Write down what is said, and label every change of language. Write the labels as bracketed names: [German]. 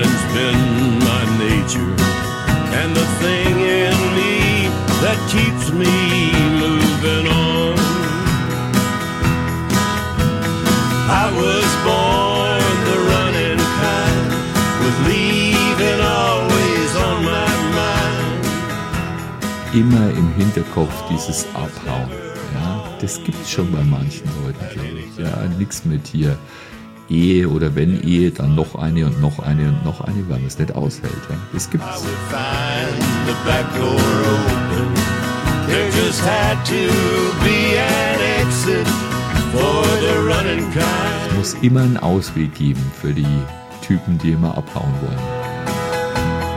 [English] nature and the thing in me that keeps me moving on. I was born the running kind, with leaving always on my mind. [German] Immer im Hinterkopf dieses Abhauen. Das gibt es schon bei manchen Leuten, glaube ich. Ja, nichts mit hier Ehe oder wenn Ehe, dann noch eine und noch eine und noch eine, weil man es nicht aushält. Ja. Das gibt es. [English] There just had to be an exit for the running kind. [German] Es muss immer einen Ausweg geben für die Typen, die immer abhauen wollen.